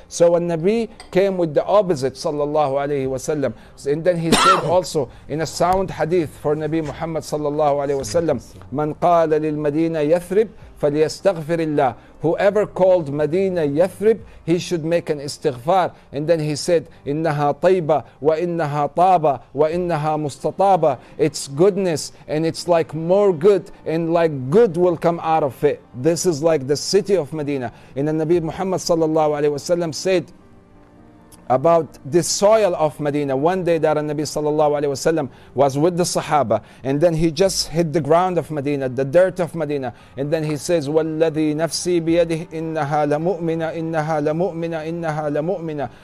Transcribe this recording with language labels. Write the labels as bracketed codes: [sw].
[en] So when Nabi came with the opposite sallallahu alayhi wasallam, and then he said also in a sound hadith for Nabi Muhammad sallallahu alayhi wasallam, [ar] Man qala lil Madina Yathrib, فليستغفر الله. [en] Whoever called Medina Yathrib, he should make an istighfar. [ar] And then he said, إِنَّهَا طَيْبَ وَإِنَّهَا طَابَ وَإِنَّهَا مُسْتَطَابَ. [en] It's goodness, and it's like more good, and like good will come out of it. This is like the city of Medina. And the Nabi Muhammad sallallahu alayhi wasallam said about the soil of Medina. One day that Nabi sallallahu alayhi wasallam was with the Sahaba, and then he just hit the ground of Medina, the dirt of Medina, and then he says, [ar] وَالَّذِي نَفْسِي بِيَدِهِ إِنَّهَا لَمُؤْمِنَ [en] إِنَّهَا لَمُؤْمِنَ إِنَّهَا لَمُؤْمِنَ.